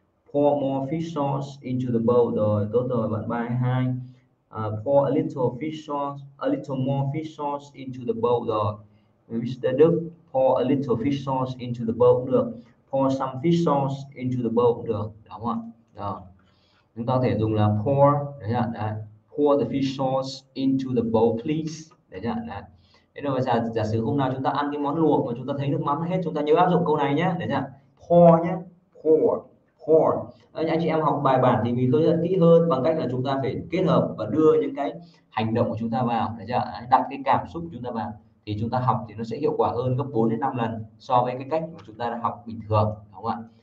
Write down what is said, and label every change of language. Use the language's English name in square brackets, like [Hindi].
[English] Pour more fish sauce into the bowl [Vietnamese] rồi, tốt rồi bạn 32. [English] Pour a little fish sauce, a little more fish sauce into the bowl [Vietnamese] rồi. [English] Mr. Đức, pour a little fish sauce into the bowl [Vietnamese] được. [English] Pour some fish sauce into the bowl [Vietnamese] được, đúng không ạ? Rồi. Chúng ta có thể dùng là pour, đấy ạ, đấy. [English] Pour the fish sauce into the bowl please, [Vietnamese] đấy ạ, đấy. Thế rồi giả sử hôm nào chúng ta ăn cái món luộc mà chúng ta thấy nước mắm hết, chúng ta nhớ áp dụng câu này nhé, đấy nhá. Pour nhé, pour. Anh chị em học bài bản thì mình hướng dẫn kỹ hơn bằng cách là chúng ta phải kết hợp và đưa những cái hành động của chúng ta vào, đấy chưa? Đặt cái cảm xúc của chúng ta vào thì chúng ta học thì nó sẽ hiệu quả hơn gấp 4 đến 5 lần so với cái cách mà chúng ta đã học bình thường, đúng không ạ?